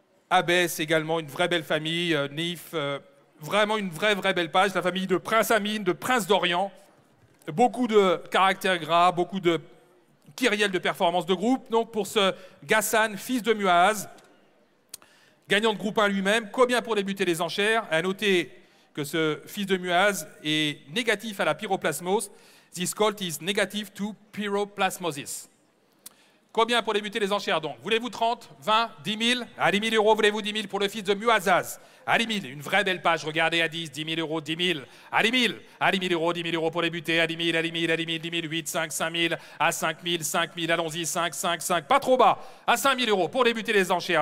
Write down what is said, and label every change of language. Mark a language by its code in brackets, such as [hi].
[fr] Abbès également, une vraie belle famille, Nif, vraiment une vraie, vraie belle page, la famille de Prince Amin, de Prince d'Orient, beaucoup de caractères gras, beaucoup de kyriels de performance de groupe, donc pour ce Ghassan, fils de Muaz. Gagnant de groupe 1 lui-même, combien pour débuter les enchères? A noter que ce fils de Muaz est négatif à la pyroplasmose. [en] This colt is negative to pyroplasmosis. [fr] Combien pour débuter les enchères donc? Voulez-vous 30, 20, 10 000? À 10 000 euros, voulez-vous 10 000 pour le fils de Muazaz? Allez, 1000, une vraie belle page. Regardez, à 10, 10 000 euros, 10 000. Allez, 1000. Allez, 1000 euros, 10 000 euros pour débuter. Allez, 1000, allez, 1000, allez, 1000, 10 000, 8, 5, 5 000. À 5 000, 5 000, allons-y, 5, 5, 5. Pas trop bas. À 5 000 euros pour débuter les enchères.